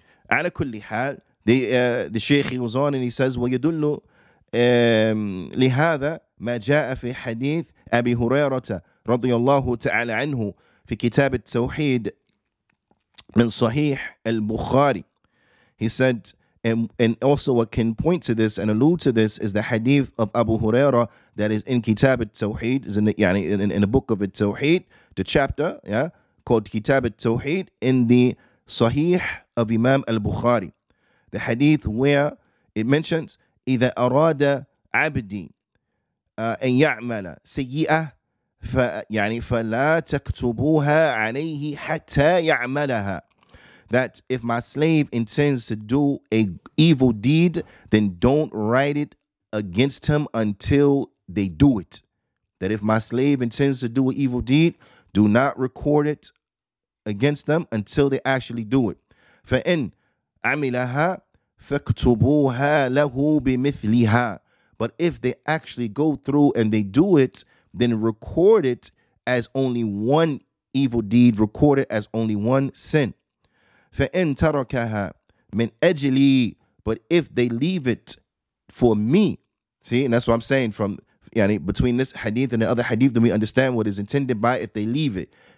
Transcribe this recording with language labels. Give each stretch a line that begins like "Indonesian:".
Arabic: على كل حال,
English: the sheikh, he goes on and he says,
Arabic: وَيَدُلُّ لهذا ما جاء في حديث أبي هريرة رضي الله تعالى عنه في كتاب التوحيد من صحيح البخاري.
English: He said, and also what can point to this and allude to this is the hadith of Abu Huraira that is in Kitab al-Tawheed, is in a book of al-Tawheed, the chapter, yeah, called Kitab al-Tawheed in the Sahih of Imam al-Bukhari. The hadith where it mentions,
Arabic: إذا أراد عبدي أن يعمل سيئة يعني فلا تكتبوها عليه حتى يعملها.
English: That if my slave intends to do a evil deed, then don't write it against him until they do it. That if my slave intends to do an evil deed, do not record it against them until they actually do it.
Arabic: فإن عملها فكتبوها له بمثلها.
English: But if they actually go through and they do it, then record it as only one evil deed, record it as only one sin.
Arabic: فإن تركها من أجلي,
English: but if they leave it for me, see, and that's what I'm saying from, yani, between this hadith and the other hadith, then we understand what is intended by if they leave it.